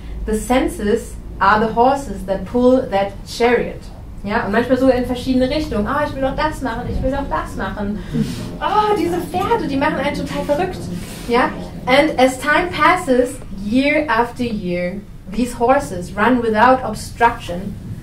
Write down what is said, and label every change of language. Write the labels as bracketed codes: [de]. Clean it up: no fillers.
[en] The senses are the horses that pull that chariot. [de] Ja, und manchmal so in verschiedene Richtungen. Ah, oh, ich will doch das machen, ich will doch das machen. Oh, diese Pferde, die machen einen total verrückt. [en] Ja, and as time passes, year after year, these horses run without obstruction.